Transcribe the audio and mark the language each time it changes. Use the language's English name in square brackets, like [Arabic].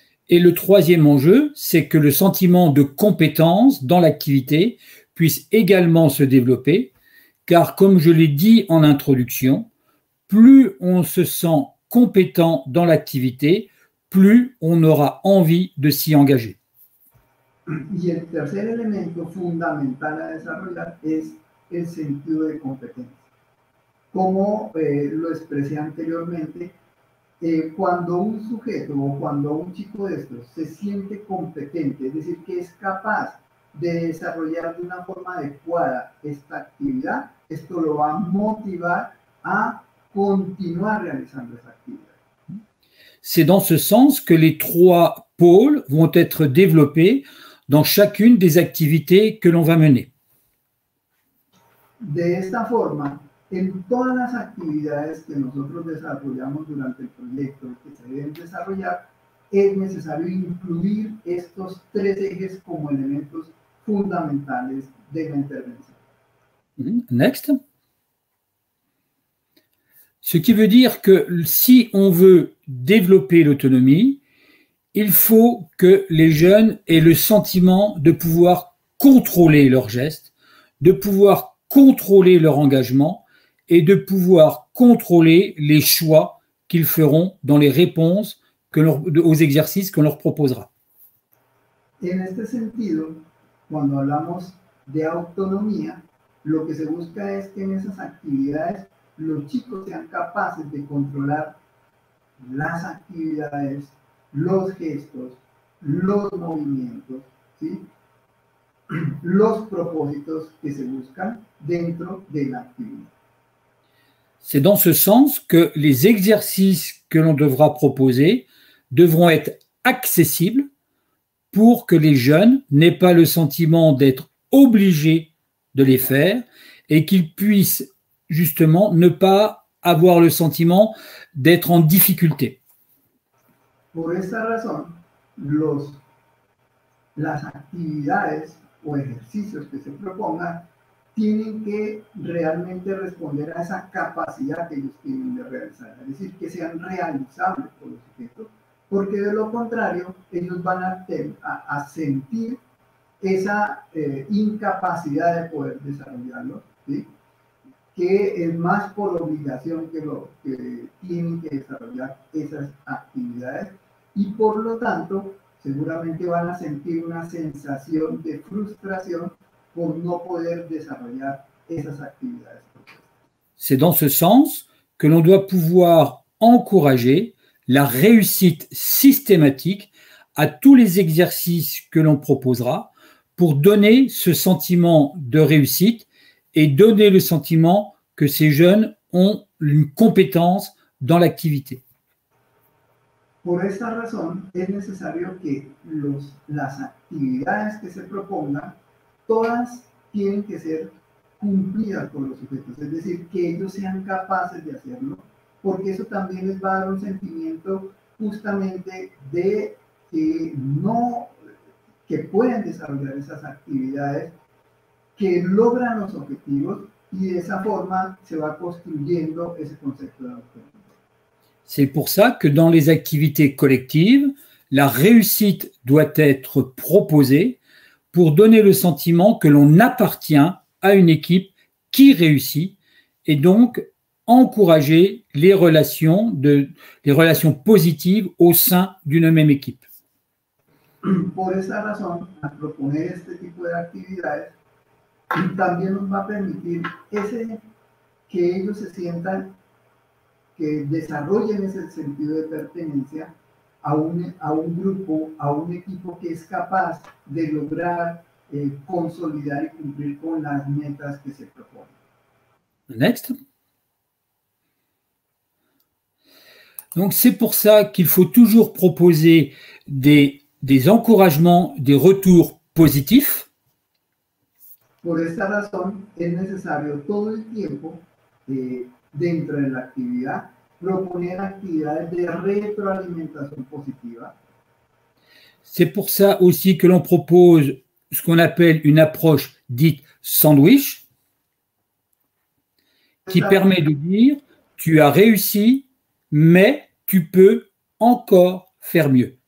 [French] Et le troisième enjeu, c'est que le sentiment de compétence dans l'activité puisse également se développer, car comme je l'ai dit en introduction, plus on se sent compétent dans l'activité, plus on aura envie de s'y engager. [Spanish] Y el tercer elemento fundamental a desarrollar es el sentido de competencia. Como lo expresé anteriormente, cuando un sujeto o cuando un chico de estos se siente competente, es decir, que es capaz de desarrollar de una forma adecuada esta actividad, esto lo va a motivar a continuar realizando esa actividad. [French] C'est dans ce sens que les trois pôles vont être développés dans chacune des activités que l'on va mener. [Spanish] De esta forma, en todas las actividades que nosotros desarrollamos durante el proyecto que se deben desarrollar, es necesario incluir estos tres ejes como elementos fundamentales de la intervención. [English] Next. [French] Ce qui veut dire que si on veut développer l'autonomie, il faut que les jeunes aient le sentiment de pouvoir contrôler leurs gestes, de pouvoir contrôler leur engagement et de pouvoir contrôler les choix qu'ils feront dans les réponses aux exercices qu'on leur proposera. [Spanish] En este sentido, cuando hablamos de autonomía, lo que se busca es que en esas actividades los chicos sean capaces de controlar las actividades, los gestos, los movimientos, ¿sí? Los propósitos que se buscan dentro de la actividad. [French] C'est dans ce sens que les exercices que l'on devra proposer devront être accessibles pour que les jeunes n'aient pas le sentiment d'être obligés de les faire et qu'ils puissent justement ne pas avoir le sentiment d'être en difficulté. [Spanish] Por esta razón, las actividades o ejercicios que se propongan tienen que realmente responder a esa capacidad que ellos tienen de realizar, es decir, que sean realizables por los sujetos, porque de lo contrario, ellos van a sentir esa incapacidad de poder desarrollarlo, ¿sí? Que es más por obligación que lo que tienen que desarrollar esas actividades. Y por lo tanto, seguramente van a sentir una sensación de frustración por no poder desarrollar esas actividades. [French] C'est dans ce sens que l'on doit pouvoir encourager la réussite systématique à tous les exercices que l'on proposera pour donner ce sentiment de réussite et donner le sentiment que ces jeunes ont une compétence dans l'activité. [Spanish] Por esta razón, es necesario que las actividades que se propongan, todas tienen que ser cumplidas por los sujetos, es decir, que ellos sean capaces de hacerlo, porque eso también les va a dar un sentimiento justamente de que no, que pueden desarrollar esas actividades, que logran los objetivos, y de esa forma se va construyendo ese concepto de autonomía. [French] C'est pour ça que dans les activités collectives, la réussite doit être proposée pour donner le sentiment que l'on appartient à une équipe qui réussit et donc encourager les relations positives au sein d'une même équipe. [Spanish] Por esa razón, al proponer este tipo de actividades, también nos va a permitir ese, que ellos se sientan, que desarrollen ese sentido de pertenencia a un grupo, a un equipo que es capaz de lograr consolidar y cumplir con las metas que se proponen. [English] Next. [French] Donc c'est pour ça qu'il faut toujours proposer des encouragements, des retours positifs. [Spanish] Por esta razón es necesario todo el tiempo dentro de la actividad proponer actividades de retroalimentación positiva. [French] C'est pour ça aussi que l'on propose ce qu'on appelle une approche dite sandwich qui permet de dire tu as réussi mais tu peux encore faire mieux.